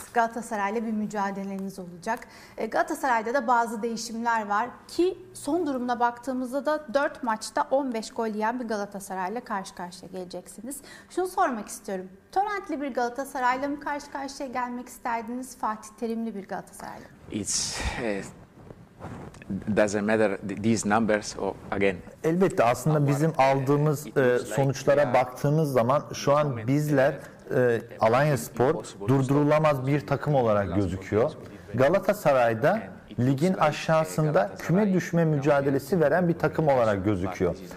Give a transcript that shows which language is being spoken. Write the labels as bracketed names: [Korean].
[Turkish] Galatasaray'la bir mücadeleniz olacak. Galatasaray'da da bazı değişimler var ki son durumuna baktığımızda da 4 maçta 15 gol yiyen bir Galatasaray'la karşı karşıya geleceksiniz. Şunu sormak istiyorum. Torrent'li bir Galatasaray'la mı karşı karşıya gelmek isterdiniz? Fatih Terim'li bir Galatasaray'la mı? [English] Doesn't matter these numbers or again. [Turkish] Elbette aslında bizim aldığımız sonuçlara baktığımız zaman şu an bizler Alanyaspor durdurulamaz bir takım olarak gözüküyor. Galatasaray'da ligin aşağısında küme düşme mücadelesi veren bir takım olarak gözüküyor.